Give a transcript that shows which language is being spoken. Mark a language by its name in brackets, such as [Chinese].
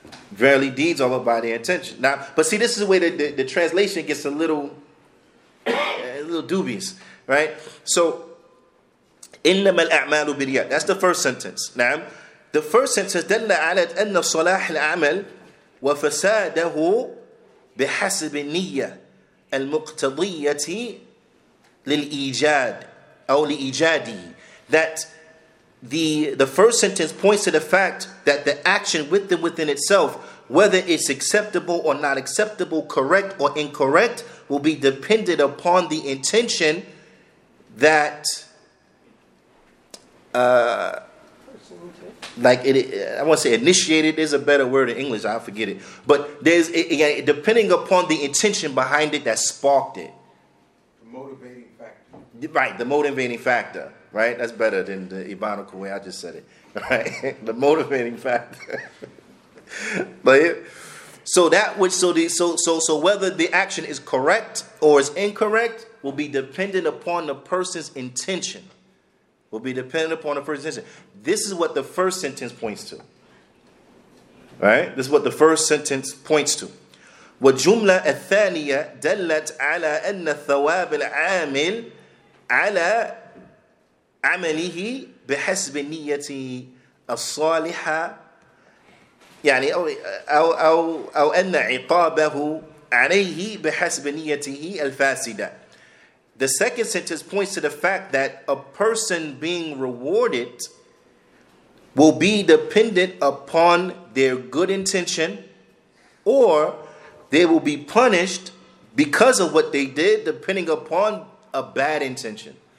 [English] Verily deeds are all by their intention. Now, but see, this is the way that the translation gets a little dubious, right? [Arabic] So إِنَّمَا الْأَعْمَالُ بِالْيَدِ. [English] That's the first sentence. Now, the first sentence [Arabic] دَلَّ عَلَىٰ أَنَّ صَلَاحَ الْعَمَلِ وَفَسَادَهُ بِحَسَبِ النِّيَّةِ الْمُقْتَضِيَّةِ لِلْإِيجَادِ أَوْ لِإِيجَادِهِ. [English] That the first sentence points to the fact that the action within itself, whether it's acceptable or not acceptable, correct or incorrect, will be dependent upon the intention that like it, I want to say initiated is a better word in English. I forget it. But there's, again, depending upon the intention behind it that sparked it. The motivating factor. Right, the motivating factor, right? That's better than the Ebonical way I just said it. Right? The motivating factor. But so that which, so whether the action is correct or is incorrect will be dependent upon the person's intention. Will be dependent upon the first intention. This is what the first sentence points to. Right? This is what the first sentence points to. [Arabic] وَجُمْلَةَ الثَّانِيَةَ دَلَّتْ عَلَىٰ أَنَّ ثَوَابِ الْعَامِلِ عَلَىٰ عَمَلِهِ بِحَسْبِ نِيَّةِ الصَّالِحَةِ يعني أو أن عقابه عليه بحسب نيته الفاسدة. [English] The second sentence points to the fact that a person being rewarded will be dependent upon their good intention, or they will be punished because of what they did depending upon a bad intention.